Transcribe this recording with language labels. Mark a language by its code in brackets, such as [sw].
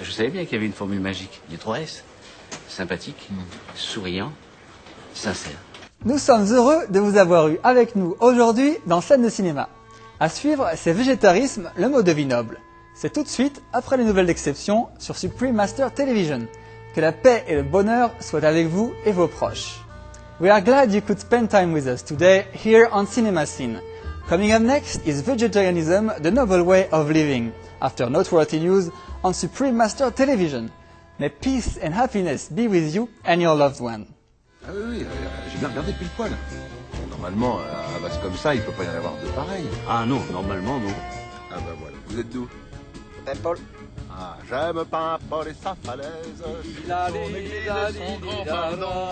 [fr] Je savais bien qu'il y avait une formule magique. Il y a 3 S. Sympathique, souriant, sincère. Nous sommes heureux de vous avoir eu avec nous aujourd'hui dans Scène de cinéma. À suivre, c'est Végétarisme, le mot de vie noble. C'est tout de suite après les nouvelles d'exception sur Supreme Master Television. Que la paix et le bonheur soient avec vous et vos proches. [en] We are glad you could spend time with us today here on CinemaScene. Coming up next is Vegetarianism, the Noble Way of Living, after Noteworthy News on Supreme Master Television. May peace and happiness be with you and your loved one. [fr] Ah oui, j'ai bien regardé pile poil. Normalement, à base comme ça, il ne peut pas y en avoir de pareil. Ah non, normalement, non. Ah ben voilà, vous êtes d'où? Paul. Ah, j'aime pas Paul et sa falaise. Il a l'église de son grand fardeau.